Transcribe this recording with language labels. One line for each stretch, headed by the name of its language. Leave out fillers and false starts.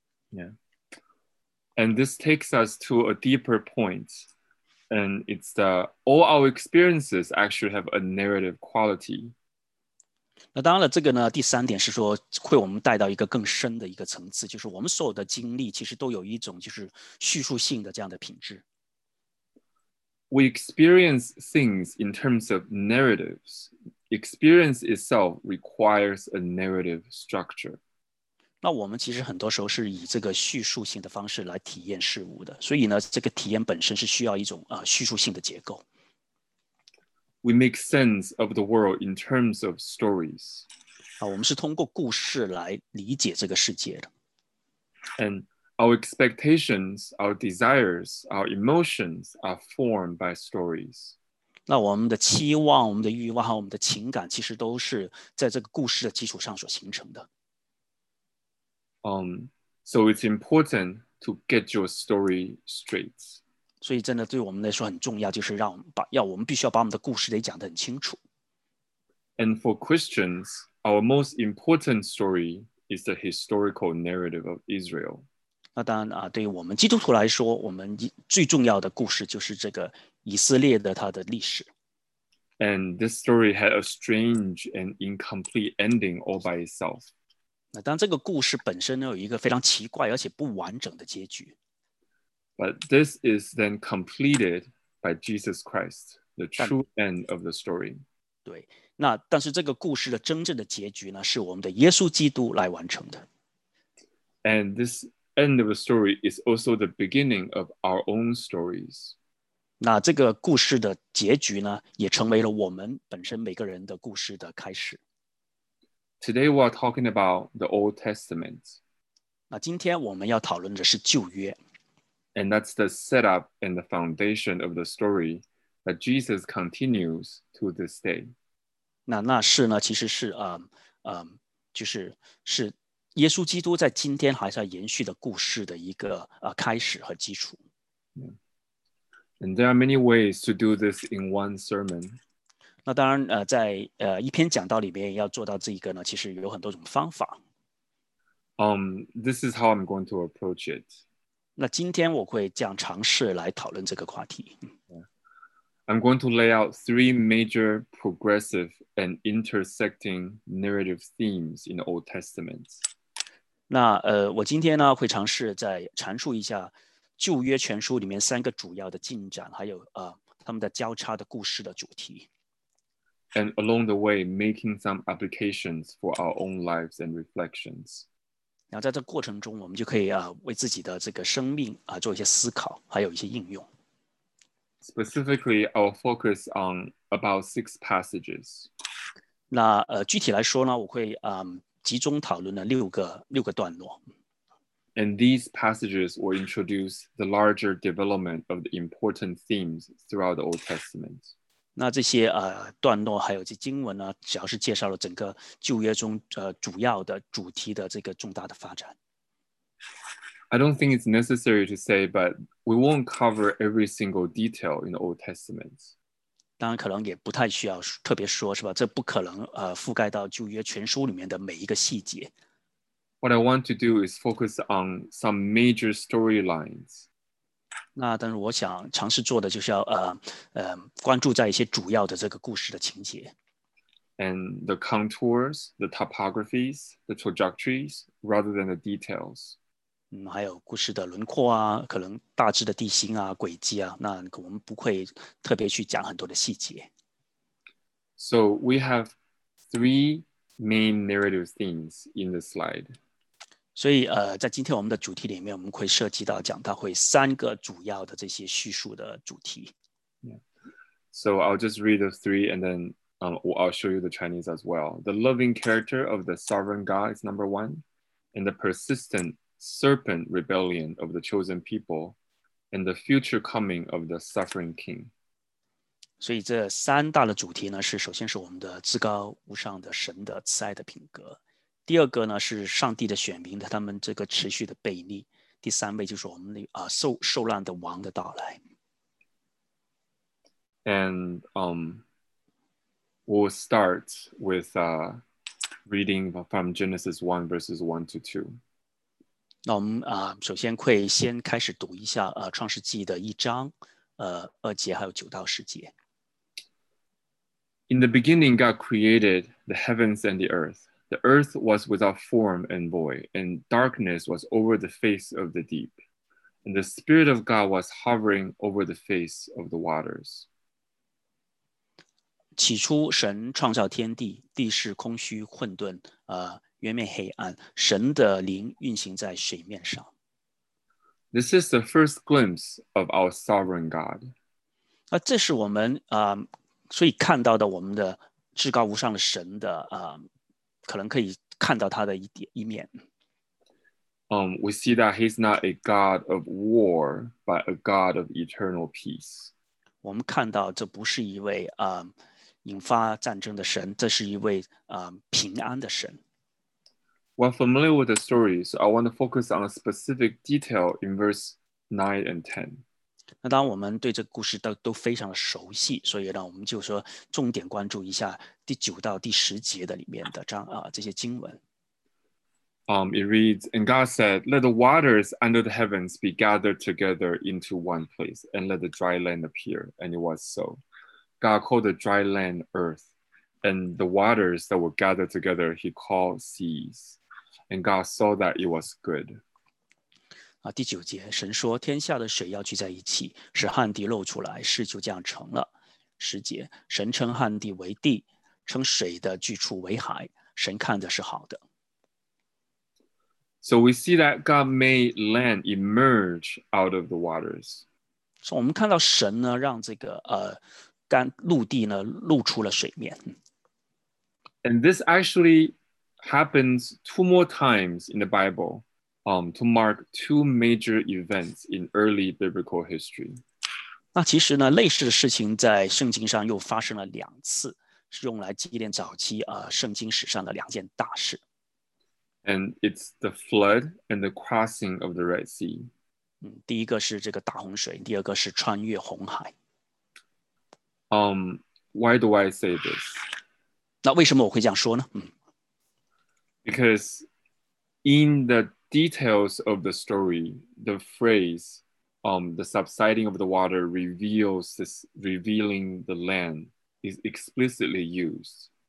English: Yeah. And this takes us to a deeper point, and it's that all our experiences actually have a narrative quality.
Chinese: 那当然了，这个呢第三点是说会我们带到一个更深的一个层次，就是我们所有的经历其实都有一种就是叙述性的这样的品质。
English: We experience things in terms of narratives. Experience itself requires a narrative structure.
Chinese: 那我们其实很多时候是以这个叙述性的方式来体验事物的，所以呢，这个体验本身是需要一种叙述性的结构。
English: We make sense of the world in terms of stories.
Chinese: 我们是通过故事来理解这个世界的。
English: And our expectations, our desires, our emotions are formed by stories.
Chinese: 那我们的期望，我们的欲望和我们的情感其实都是在这个故事的基础上所形成的。
English: So it's important to get your story straight.
Chinese: 所以真的对我们来说很重要，就是我们必须要把我们的故事得讲得很清楚。
English: And for Christians, our most important story is the historical narrative of Israel.
Chinese: 那当然对于我们基督徒来说，我们最重要的故事就是这个以色列的它的历史。
English: And this story had a strange and incomplete ending all by itself.
Chinese: 那当然这个故事本身有一个非常奇怪而且不完整的结局。
English: But this is then completed by Jesus Christ, the true end of the story.
Chinese: 对，那但是这个故事的真正的结局呢，是我们的耶稣基督来完成的。
English: And this end of the story is also the beginning of our own stories.
Chinese: 那这个故事的结局呢，也成为了我们本身每个人的故事的开始。
English: Today we are talking about the Old Testament.
Chinese: 那今天我们要讨论的是旧约。
English: And that's the setup and the foundation of the story that Jesus continues to this day.
Chinese: 那是呢，其实是就是是耶稣基督在今天还在延续的故事的一个开始和基础。
English: Yeah. And there are many ways to do this in one sermon.
Chinese: 那当然在一篇讲道里面要做到这一个呢，其实有很多种方法。
English: This is how I'm going to approach it.
Chinese: 那今天我会这样尝试来讨论这个话题。
English: I'm going to lay out three major progressive and intersecting narrative themes in the Old Testament.
Chinese: 那我今天呢会尝试再阐述一下旧约全书里面三个主要的进展，还有他们的交叉的故事的主题。
English: And along the way, making some applications for our own lives and reflections.
Chinese: 然后在这个过程中我们就可以为自己的这个生命做一些思考还有一些应用。
English: Specifically, I'll focus on about six passages.
Chinese: 那具体来说呢，我会集中讨论了六个段落。
English: And these passages will introduce the larger development of the important themes throughout the Old Testament.
Chinese: 那这些段落还有这经文呢，主要是介绍了整个旧约中主要的主题的这个重大的发展。
English: I don't think it's necessary to say, but we won't cover every single detail in the Old Testament.
Chinese: 当然可能也不太需要特别说，是吧？这不可能覆盖到旧约全书里面的每一个细节。
English: What I want to do is focus on some major storylines.
Chinese: 那但是我想尝试做的就是要关注在一些主要的这个故事的情节。
English: And the contours, the topographies, the trajectories, rather than the details.
Chinese: 还有故事的轮廓啊，可能大致的地形啊，轨迹啊，那我们不会特别去讲很多的细节。
English: So we have three main narrative themes in the slide.
Chinese: 所以在今天我们的主题里面，我们会涉及到讲到会三个主要的这些叙述的主题。
English: So I'll just read the three and then I'll show you the Chinese as well. The loving character of the sovereign God is number one, and the persistent serpent rebellion of the chosen people, and the future coming of the suffering king.
Chinese: 所以这三大的主题呢，是首先是我们的至高无上的神的慈爱的品格，第二个呢是上帝的选民的他们这个持续的悖逆，第三位就是我们的受难的王的到来。
English: And we'll start with reading from Genesis 1 verses 1 to 2.
Chinese: 那我们首先会先开始读一下创世纪的一章二节还有九到十节。
English: In the beginning God created the heavens and the earth. The earth was without form and void, and darkness was over the face of the deep. And the Spirit of God was hovering over the face of the waters.
Chinese: 起初神创造天地，地是空虚混沌渊面黑暗，神的灵运行在水面上。
English: This is the first glimpse of our sovereign God.
Chinese: 这是我们所以看到的我们的至高无上的神的可能可以看到他的 一面。
English: We see that he's not a God of war, but a God of eternal peace.
Chinese: 我们看到这不是一位引发战争的神，这是一位平安的神。
English: Well, familiar with the story, so I want to focus on a specific detail in verse 9 and 10.
Chinese: 那当我们对这故事都非常熟悉，所以呢，我们就说重点关注一下第九到第十节的里面的这些经文。
English: It reads, And God said, Let the waters under the heavens be gathered together into one place, and let the dry land appear. And it was so. God called the dry land earth. And the waters that were gathered together, he called seas. And God saw that it was good.
Chinese: 第九节，神说，天下的水要聚在一起，使旱地露出来，事就这样成了。十节，神称旱地为地，称水的聚处为海，神看的是好的。
English: So we see that God made land emerge out of the waters.
Chinese: 所以我们看到神呢，让这个陆地呢，露出了水面。
English: And this actually happens two more times in the Bible, to mark two major events in early biblical history.
Chinese: 那其实呢，类似的事情在圣经上又发生了两次，是用来纪念早期圣经史上的两件大事。
English: And it's the flood and the crossing of the Red Sea.
Chinese: 第一个是这个大洪水，第二个是穿越红海。
English: Why do I say this?
Chinese: 那为什么我会这样说呢？
English: Because in the details of the story, the phrase the subsiding of the water revealing the land is explicitly used.